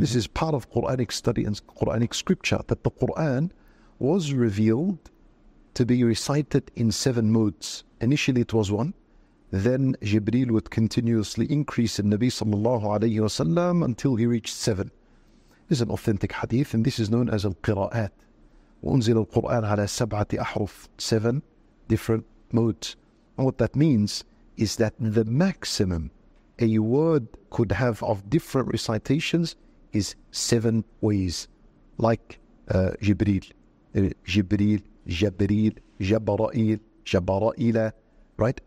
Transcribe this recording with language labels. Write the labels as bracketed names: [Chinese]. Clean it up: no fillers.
[English] This is part of Quranic study and Quranic scripture, that the Quran was revealed to be recited in seven modes. Initially it was one. Then Jibreel would continuously increase in Nabi sallallahu alayhi wasallam until he reached seven. This is an authentic hadith, and this is known as al-qira'at. [Arabic] وأنزل القرآن على سبعة أحرف, [English] seven different modes. And what that means is that the maximum a word could have of different recitations is seven ways. Like Jibreel. Jibreel, Jabreel, Jabra'il, Jabra'ila. Right?